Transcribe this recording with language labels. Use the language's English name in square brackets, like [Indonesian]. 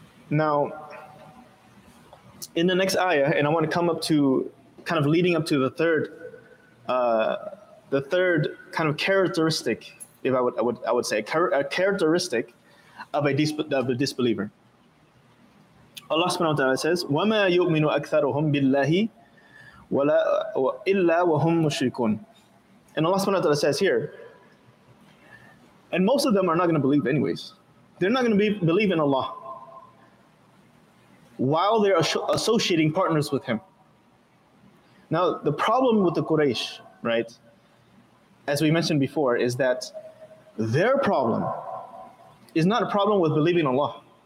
[English] Now, in the next ayah, and I want to come up to kind of leading up to the third kind of characteristic, if I would say a characteristic of a disbeliever. [Arabic] Allah subhanahu wa ta'ala says, وَمَا يُؤْمِنُ أَكْثَرُهُمْ بِاللَّهِ وَلَا إِلَّا وَهُمْ مُشْرِكُونَ. [English] And Allah subhanahu wa ta'ala says here, and most of them are not going to believe anyways. They're not going to believe in Allah while they're associating partners with Him. Now, the problem with the Quraysh, right, as we mentioned before, is that their problem is not a problem with believing Allah.